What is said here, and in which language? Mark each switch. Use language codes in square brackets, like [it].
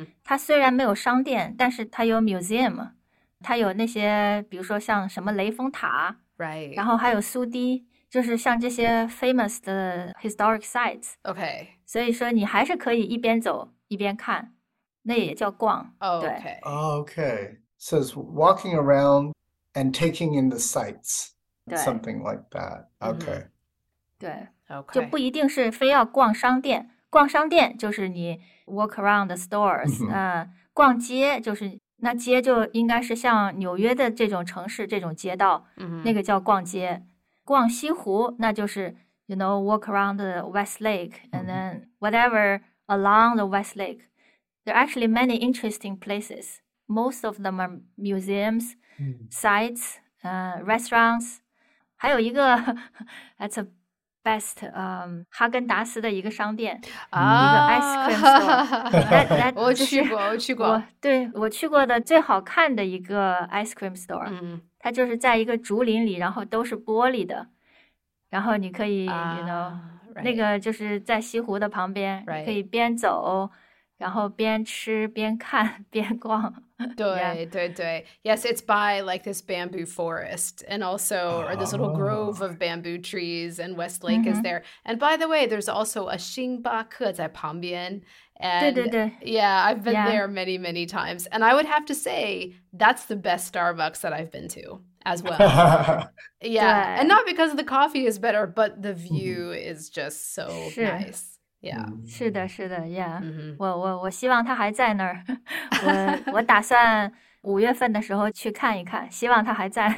[zh] 它虽然没有商店，但是它有 museum，它有那些，比如说像什么雷峰塔，然后还有苏堤，就是像这些 famous 的 [en] historic sites。 [zh] 所以说你还是可以一边走一边看，那也叫逛，对。 [en] So it's walking around and taking in the sights, [zh] 对， [en] something like that. [zh] 对，就不一定是非要逛商店。逛商店就是你 [en] walk around the stores， [zh] 逛街就是那街就应该是像纽约的这种城市这种街道，那个叫逛街。逛西湖那就是 [en] walk around the Westlake and then whatever along the Westlake. There are actually many interesting places. Most of them are museums, sites, restaurants. [zh] 还有一个 [en] that's a best [zh] 哈根达斯的一个商店，一个 [en] ice cream store。 [zh] 那我就是去过，我去过。我对我去过的最好看的一个 ice cream store，它就是在一个竹林里，然后都是玻璃的，然后你可以那个就是在西湖的旁边，你可以边走，然后边吃边看边逛，对对对， [en] Yes, it's by like this bamboo forest, and also or this little grove of bamboo trees, and Westlake is there. And by the way, there's also a 星巴克 [zh] 在旁边。对对 [en] And [zh] 对 [en] yeah, I've been ，Yeah， there many, many times. And I would have to say that's the best Starbucks that I've been to as well. Yeah, and not because the coffee is better, but the view is just so [zh] 是， [en] nice. Yeah. [zh] 是的，是的， [en] Yeah。 [zh] 我希望他还在那儿，我打算5月份的时候去看一看，希望他还在。